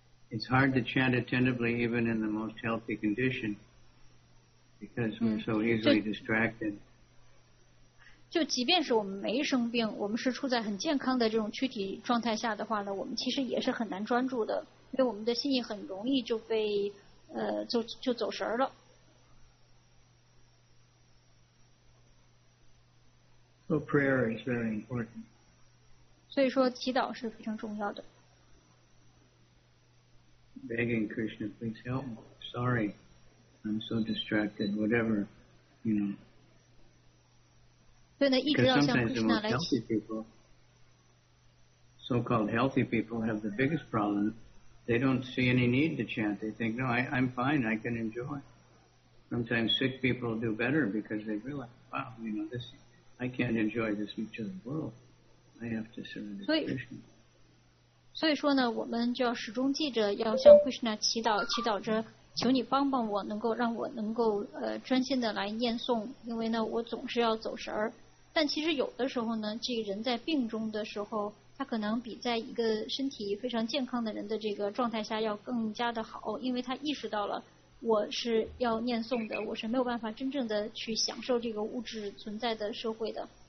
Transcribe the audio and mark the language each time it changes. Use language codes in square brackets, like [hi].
[en] It's hard to chant attentively even in the most healthy condition because we're so easily distracted. [zh] 就即便是我们没生病，我们是处在很健康的这种躯体状态下的话呢，我们其实也是很难专注的，因为我们的心意很容易就被就走神了。 [en] So prayer is very important. [zh] 所以说祈祷是非常重要的。 [en] Begging Krishna, please help me. Sorry, I'm so distracted. Whatever, you know. [zh] 对呢，一直要向 Krishna 来祈祷。 [en] So-called healthy people have the biggest problem. They don't see any need to chant. They think, no, I'm fine. I can enjoy. Sometimes sick people do better because they realize, wow, you know, this, I can't enjoy this much of the world. I have to surrender to Krishna. [zh] 所以说呢，我们就要始终记着要向 Krishna 祈祷，祈祷着求你帮帮我，能够让我能够专心的来念诵，因为呢我总是要走神儿。但其实有的时候呢，这个人在病中的时候，他可能比在一个身体非常健康的人的这个状态下要更加的好，因为他意识到了我是要念诵的，我是没有办法真正的去享受这个物质存在的社会的。